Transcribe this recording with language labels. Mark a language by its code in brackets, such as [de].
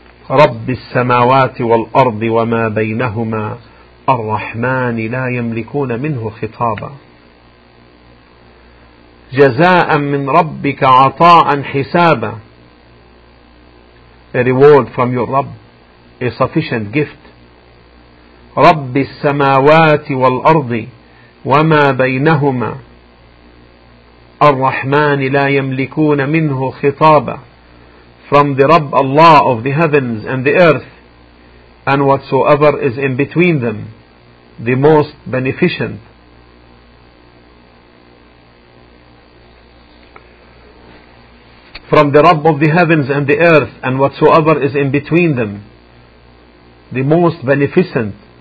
[ar] رَبِّ السَّمَاوَاتِ وَالْأَرْضِ وَمَا بَيْنَهُمَا الرَّحْمَانِ لَا يَمْلِكُونَ مِنْهُ خِطَابًا. جَزَاءً مِّن رَبِّكَ عَطَاءً حِسَابًا. [en] A reward from your Rabb, a sufficient gift. [ar] رب السماوات والأرض وما بينهما الرحمن لا يملكون منه خطابا. [en] From the Rabb Allah of the heavens and the earth, and whatsoever is in between them, the most beneficent. From the Rabb of the heavens and the earth, and whatsoever is in between them, the most beneficent.